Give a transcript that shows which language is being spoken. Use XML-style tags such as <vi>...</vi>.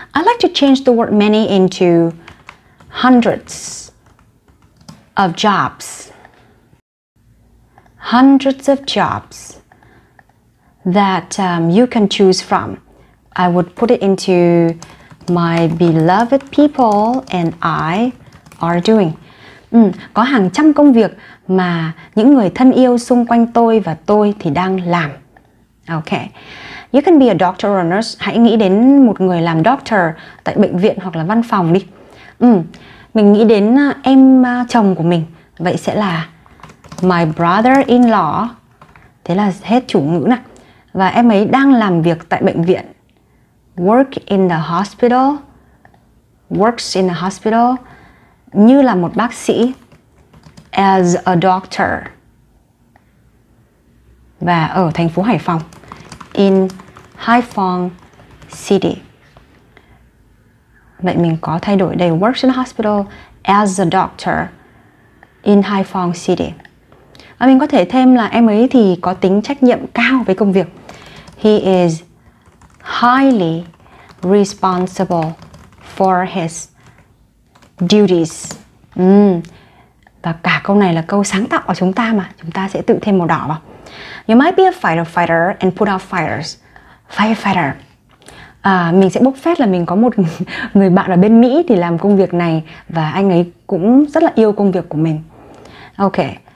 <en>I like to change the word many into hundreds of jobs. Hundreds of jobs that you can choose from. I would put it into my beloved people and I are doing.</en> <vi>Có hàng trăm công việc mà những người thân yêu xung quanh tôi và tôi thì đang làm.</vi> <en>Okay. You can be a doctor or a nurse.</en> <vi>Hãy nghĩ đến một người làm doctor tại bệnh viện hoặc là văn phòng đi. Mình nghĩ đến em chồng của mình. Vậy sẽ là</vi> <en>my brother-in-law.</en> <vi>Thế là hết chủ ngữ nè. Và em ấy đang làm việc tại bệnh viện.</vi> <en>Work in the hospital. Works in the hospital.</en> <vi>Như là một bác sĩ.</vi> <en>As a doctor.</en> <vi>Và ở thành phố Hải Phòng.</vi> <en>In Haiphong City.</en> <vi>Vậy mình có thay đổi đây.</vi> <en>Works in the hospital as a doctor in Haiphong City.</en> <vi>Và mình có thể thêm là em ấy thì có tính trách nhiệm cao với công việc.</vi> <en>He is highly responsible for his duties.</en> <vi>Và cả câu này là câu sáng tạo của chúng ta mà. Chúng ta sẽ tự thêm màu đỏ vào.</vi> <en>You might be a firefighter and put out fires. Firefighter.</en> <vi>Mình sẽ bốc phét là mình có một người bạn ở bên Mỹ thì làm công việc này và anh ấy cũng rất là yêu công việc của mình. Okay.</vi>